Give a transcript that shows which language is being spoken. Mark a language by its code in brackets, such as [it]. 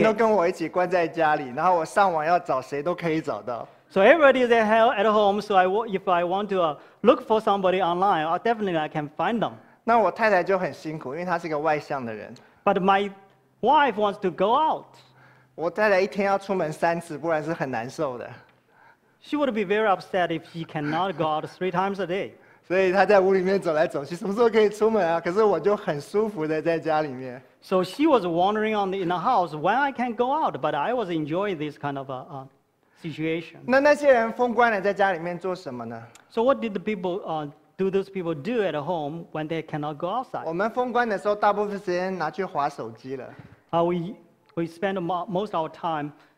[zh] 所有人都跟我一起关在家里，然后我上网要找谁都可以找到。 [en] So everybody is at home, so if I want to look for somebody online, definitely I can find them. [zh] 那我太太就很辛苦，因为她是一个外向的人。 [en] But my wife wants to go out. [zh] 我太太一天要出门三次，不然是很难受的。 [en] She would be very upset if she cannot go out three times a day. [zh] 所以她在屋里面走来走去，什么时候可以出门啊？可是我就很舒服的在家里面。 [en] So she was wondering in the house when I can go out, but I was enjoying this kind of a situation. [zh] 那些人封关了，在家里面做什么呢 [en] ？So what did the people do? Those people do at home when they cannot go outside? [zh] 我们封关的时候，大部分时间拿去滑手机了。 [en] We spend most of our time.